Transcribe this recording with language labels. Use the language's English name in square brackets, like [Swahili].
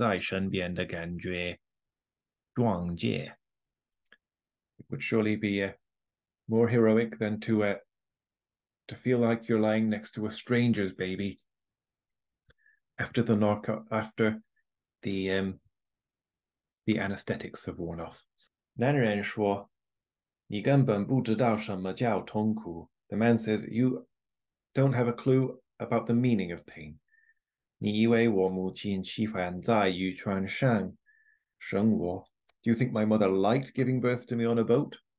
[Chinese] 一定比麻醉剂一过便有一个陌生的婴儿躺在身边的感觉壮烈。 [English] It would surely be more heroic than to feel like you're lying next to a stranger's baby after the anesthetics have worn off. [Chinese] 男人说，你根本不知道什么叫痛苦。 [English] The man says, you don't have a clue about the meaning of pain. [Chinese] 你以为我母亲喜欢在渔船上生活。 [English] Do you think my mother liked giving birth to me on a boat?